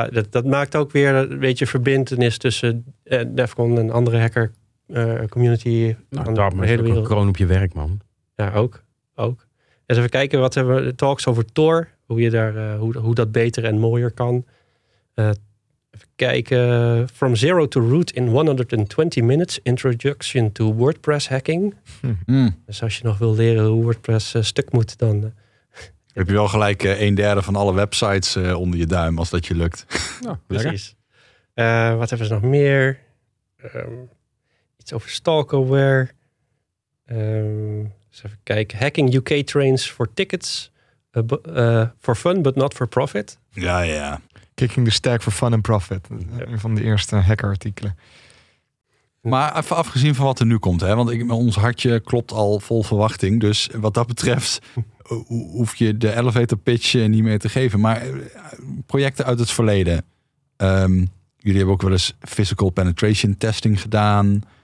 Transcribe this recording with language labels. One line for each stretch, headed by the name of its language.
Dutch: Dat maakt ook weer een beetje verbindenis tussen Defcon en andere hacker community. Nou, dat is ook een kroon op je werk, man. Ja, ook. Eens even kijken, wat hebben we, talks over Tor, hoe dat beter en mooier kan. Even kijken.
English: From zero to root in 120 minutes. Introduction to WordPress hacking.
Dutch: Dus als je nog wil leren hoe WordPress stuk moet, dan. Heb je wel gelijk 1/3 van alle websites onder je duim als dat je lukt. Nou, precies. Wat hebben ze nog meer? Iets over stalkerware. Even kijken.
English: Hacking UK trains for tickets. For fun, but not for profit.
Dutch: Ja, ja.
English: Kicking the stack for fun and profit.
Dutch: Ja. Een van de eerste hackerartikelen. Maar even afgezien van wat er nu komt. Hè, want ons hartje klopt al vol verwachting. Dus wat dat betreft hoef je de elevator pitch niet meer te geven. Maar projecten uit het verleden. Jullie hebben ook wel eens physical penetration testing gedaan.